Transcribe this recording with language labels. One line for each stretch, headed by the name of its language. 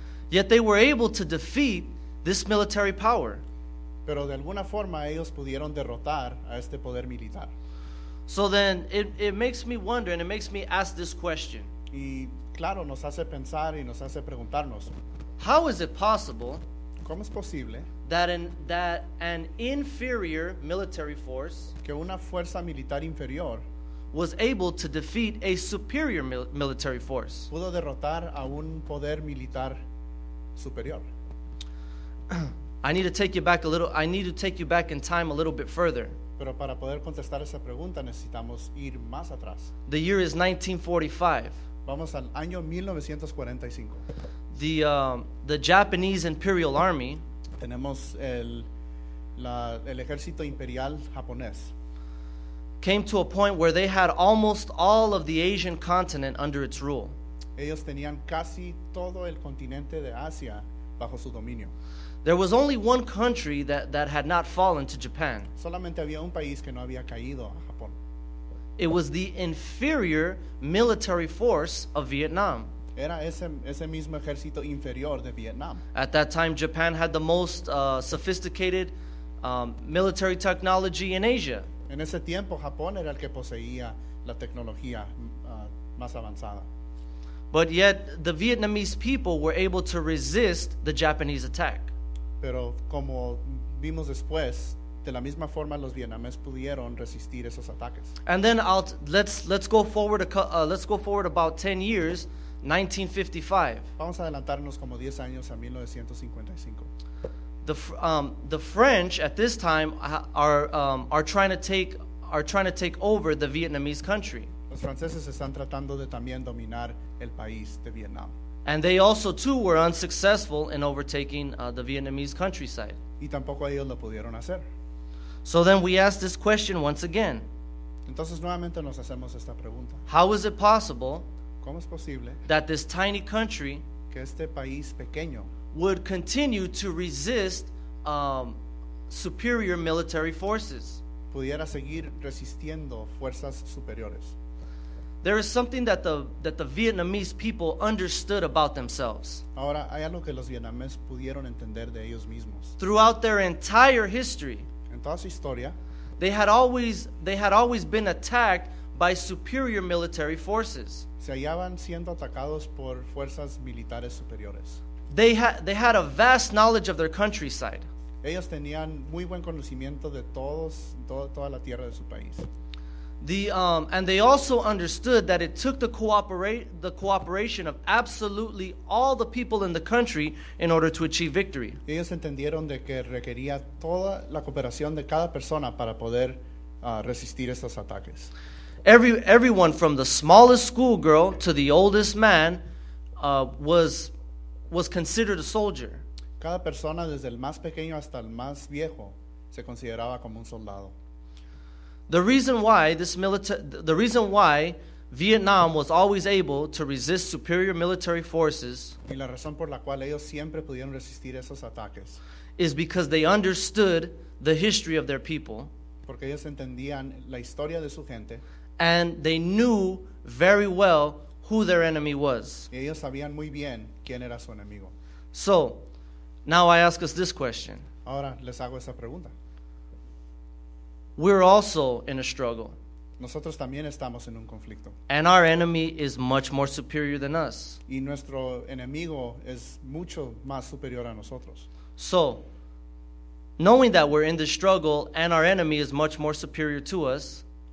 English: Yet they were able to defeat this military power.
Spanish: Pero de alguna forma ellos pudieron derrotar a este poder militar.
English: So then it makes me wonder and it makes me ask this question.
Spanish: Y claro, nos hace pensar y nos hace preguntarnos.
English: How is it possible?
Spanish: ¿Cómo es posible?
English: That an inferior military force,
Spanish: que una fuerza militar inferior,
English: was able to defeat a superior military force.
Spanish: Pudo derrotar a un poder militar superior.
English: I need to take you back in time a little bit further.
Spanish: Pero para poder contestar esa pregunta necesitamos ir más atrás.
English: The year is 1945.
Spanish: Vamos al año 1945.
English: The Japanese Imperial Army.
Spanish: Tenemos el ejército imperial japonés.
English: Came to a point where they had almost all of the Asian continent under its rule.
Spanish: Ellos tenían casi todo el continente de Asia bajo su dominio.
English: There was only one country that had not fallen to Japan.
Spanish: Solamente había un país que no había caído a Japón.
English: It was the inferior military force of Vietnam.
Spanish: Era ese mismo ejército inferior de Vietnam.
English: At that time, Japan had the most sophisticated military technology in Asia.
Spanish: En ese tiempo, Japón era el que poseía la tecnología más avanzada.
English: But yet, the Vietnamese people were able to resist the Japanese attack.
Spanish: Pero como vimos después, de la misma forma los vietnameses pudieron resistir esos ataques.
English: And then let's go forward about 10 years, 1955.
Spanish: Vamos a adelantarnos como 10 años a 1955.
English: The French at this time are trying to take over the Vietnamese country.
Spanish: Los franceses están tratando de también dominar el país de Vietnam.
English: And they also too were unsuccessful in overtaking the Vietnamese countryside.
Spanish: Y tampoco ellos lo pudieron hacer.
English: So then we ask this question once again.
Spanish: Entonces nuevamente nos hacemos esta pregunta.
English: How is it possible?
Spanish: ¿Cómo es posible?
English: That this tiny country,
Spanish: que este país pequeño,
English: would continue to resist superior military forces.
Spanish: Pudiera seguir resistiendo fuerzas superiores.
English: There is something that the Vietnamese people understood about themselves.
Spanish: Ahora, hay algo que los vietnameses pudieron entender de ellos mismos.
English: Throughout their entire history,
Spanish: en toda su historia,
English: they had always been attacked by superior military forces.
Spanish: Se hallaban siendo atacados por fuerzas militares superiores.
English: They had a vast knowledge of their countryside.
Spanish: Ellos tenían muy buen conocimiento de toda la tierra de su país.
English: And they also understood that it took the cooperation of absolutely all the people in the country in order to achieve victory.
Spanish: Ellos entendieron de que requería toda la cooperación de cada persona para poder resistir estos ataques.
English: Everyone from the smallest schoolgirl to the oldest man was considered a soldier.
Spanish: Cada persona desde el más pequeño hasta el más viejo se consideraba como un soldado.
English: The reason why Vietnam was always able to resist superior military forces,
Spanish: y la razón por la cual ellos siempre pudieron resistir esos ataques,
English: is because they understood the history of their people,
Spanish: porque ellos entendían la historia de su gente,
English: and they knew very well who their enemy was.
Spanish: Y ellos sabían muy bien quién era su enemigo.
English: So, now I ask us this question.
Spanish: Ahora les hago esa pregunta.
English: We're also in a struggle.
Spanish: Nosotros también estamos en un conflicto.
English: And our enemy is much more superior than us.
Spanish: Y nuestro enemigo es mucho más superior a nosotros.
English: So, knowing that we're in the struggle and our enemy is much more superior to us,